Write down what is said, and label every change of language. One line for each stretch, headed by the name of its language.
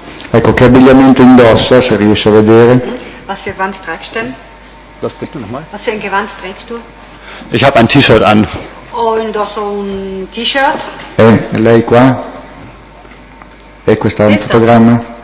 Italian: Ecco, che abbigliamento indossa, se riesci a vedere.
German: Was für Gewand trägst du? Was bitte nochmal? Was für ein Gewand trägst du? Ich habe ein T-Shirt an.
Italian: Ho indosso un T-Shirt. Lei qua? È questo un fotogramma?